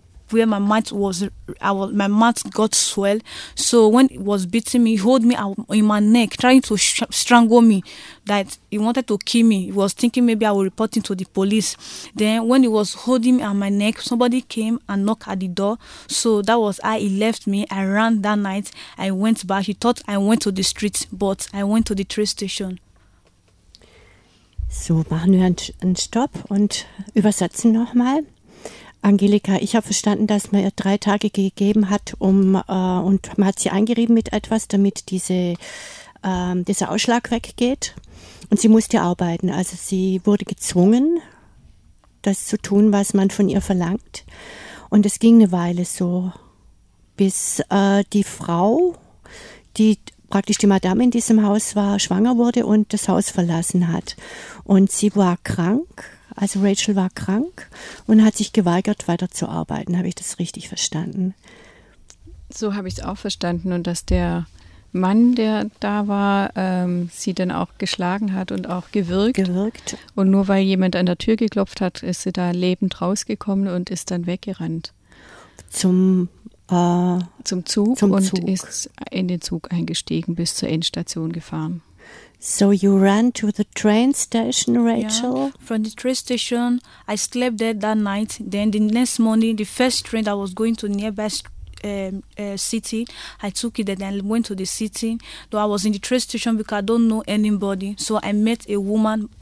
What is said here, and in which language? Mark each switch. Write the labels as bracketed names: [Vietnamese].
[English] Where my mouth was, my mouth got swelled. So when it was beating me, he held me in my neck, trying to strangle me, that he wanted to kill me. He was thinking maybe I would report him to the police. Then when he was holding me on my neck, somebody came and knocked at the door. So that was how he left me. I ran that night. I went back. He thought I went to the street, but I went to the train station. [German] So, machen wir einen Stopp und übersetzen nochmal. Angelika, ich habe verstanden, dass man ihr 3 Tage gegeben hat, und man hat sie eingerieben mit etwas, damit dieser Ausschlag weggeht. Und sie musste arbeiten. Also sie wurde gezwungen, das zu tun, was man von ihr verlangt. Und es ging eine Weile so, bis die Frau, die praktisch die Madame in diesem Haus war, schwanger wurde und das Haus verlassen hat. Und sie war krank. Also Rachel war krank und hat sich geweigert, weiterzuarbeiten. Habe ich das richtig verstanden? So habe ich es auch verstanden. Und dass der Mann, der da war, sie dann auch geschlagen hat und auch gewürgt. Und nur weil jemand an der Tür geklopft hat, ist sie da lebend rausgekommen und ist dann weggerannt. Zum Zug. Ist in den Zug eingestiegen, bis zur Endstation gefahren. [English] So you ran to the train station, Rachel? Yeah. From the train station, I slept there that night. Then the next morning, the first train that was going to nearby city, I took it and then went to the city. Though I was in the train station because I don't know anybody. So I met a woman